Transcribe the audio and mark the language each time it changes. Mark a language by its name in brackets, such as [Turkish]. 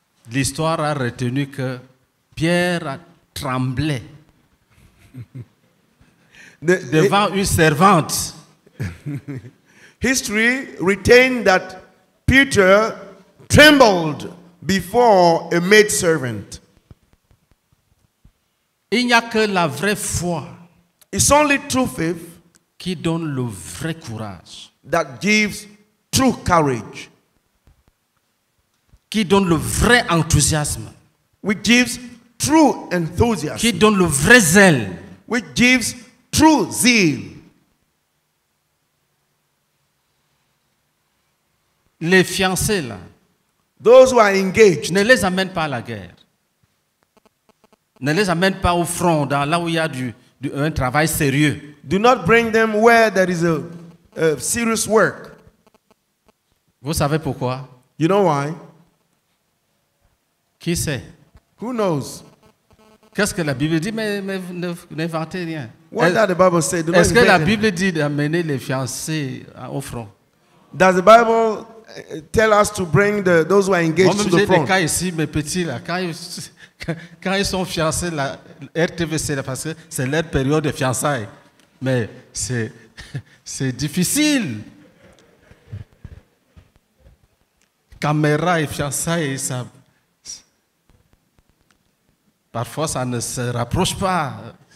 [French] L'histoire a retenu que Pierre a tremblé devant une servante. [English] History retained that Peter trembled before a maid servant. [French] Il n'y a que la vraie foi. [English] It's only true faith [French] qui donne le vrai courage. [English] That gives true courage. [French] Qui donne le vrai enthousiasme. [English] Which gives true enthusiasm. [French] Qui donne le vrai zèle. [English] Which gives true zeal. [French] Les fiancés là. [English] Those who are engaged. [French] Ne les amène pas à la guerre. Ne les amène pas au front, dans là où il y a un travail sérieux. [English] Do not bring them where there is a serious work. [French] Vous savez pourquoi? [English] You know why? [French] Qui sait? [English] Who knows? [French] Qu'est-ce que la Bible dit? Mais n'inventez rien. [English] What does the Bible say? Do not [French] Est-ce que la Bible dit d'amener les fiancés au front? [English] Does the Bible tell us to bring those who are engaged [French] Moi, [English] to the front? [French] Des cas ici, mes petits là, quand ils sont fiancés, la RTVC, parce que c'est leur période de fiançailles. Mais c'est difficile. Caméra et fiançailles, ça, parfois ça ne se rapproche pas.